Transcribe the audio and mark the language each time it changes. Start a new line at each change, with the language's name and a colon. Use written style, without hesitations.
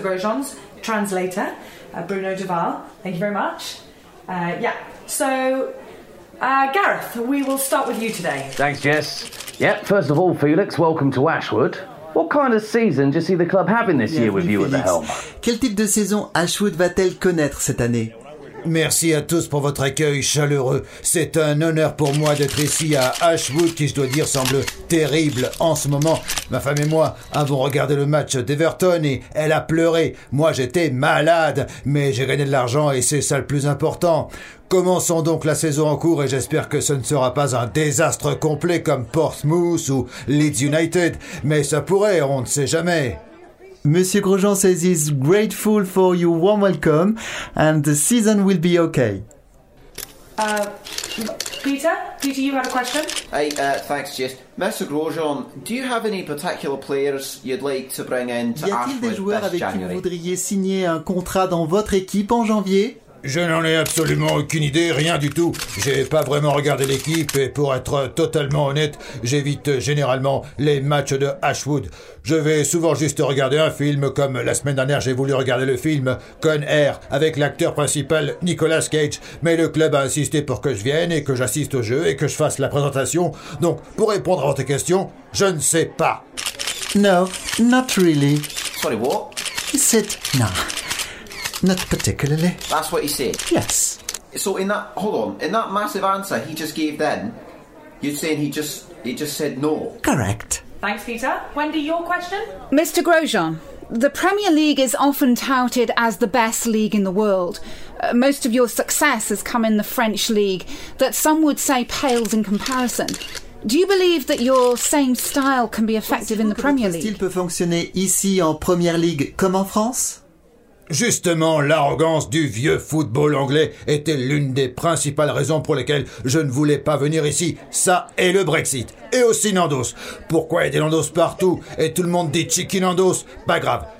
English: Grosjean's translator, Bruno Duval. Thank you very much. Gareth, we will start with you today. Thanks, Jess. Yep, first of all, Felix, welcome to Ashwood. What kind of season do you see the club having this year with you at the helm?
French: Quel type de saison Ashwood va-t-elle connaître cette année? Merci à tous pour votre accueil chaleureux. C'est un honneur pour moi d'être ici à Ashwood, qui, je dois dire, semble terrible en ce moment. Ma femme et moi avons regardé le match d'Everton et elle a pleuré. Moi, j'étais malade, mais j'ai gagné de l'argent et c'est ça le plus important. Commençons donc la saison en cours et j'espère que ce ne sera pas un désastre complet comme Portsmouth ou Leeds United. Mais ça pourrait, on ne sait jamais.
English: Monsieur Grosjean says he's grateful for your warm welcome and the season will be okay. Peter, you have a question? Thanks, Jess. Mr. Grosjean, do you have any particular players you'd like to bring in to Ashwood this
French: January? Y a-t-il des joueurs avec
English: January?
French: Qui vous voudriez signer un contrat dans votre équipe en janvier? Je n'en ai absolument aucune idée, rien du tout. J'ai pas vraiment regardé l'équipe et pour être totalement honnête, j'évite généralement les matchs de Ashwood. Je vais souvent juste regarder un film, comme la semaine dernière j'ai voulu regarder le film Con Air avec l'acteur principal Nicolas Cage, mais le club a insisté pour que je vienne et que j'assiste au jeu et que je fasse la présentation. Donc, pour répondre à votre question, je ne sais pas.
English: No, not really. Sorry, what? Not particularly. That's what he said? Yes. So in that massive answer he just gave then, you're saying he just said no? Correct. Thanks, Peter. Wendy, your question? Mr. Grosjean, the Premier League is often touted as the best league in the world. Most of your success has come in the French League, that some would say pales in comparison. Do you believe that your same style can be effective in the Premier League?
French: Est-ce que votre style peut fonctionner ici en Premier League comme en France? Justement, l'arrogance du vieux football anglais était l'une des principales raisons pour lesquelles je ne voulais pas venir ici. Ça et le Brexit. Et aussi Nandos. Pourquoi y a des Nandos partout et tout le monde dit Chicky Nandos? Pas grave.